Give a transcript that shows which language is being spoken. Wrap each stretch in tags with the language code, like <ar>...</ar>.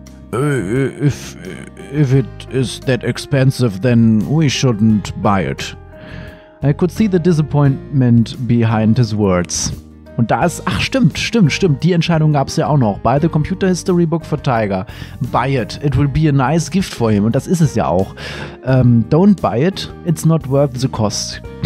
<en>If it is that expensive, then we shouldn't buy it. I could see the disappointment behind his words.</en> <de>Und da ist, ach stimmt, die Entscheidung gab es ja auch noch.</de> <en>Buy the computer history book for Tiger. Buy it, it will be a nice gift for him.</en> <de>Und das ist es ja auch.</de> <en>Don't buy it, it's not worth the cost.</en>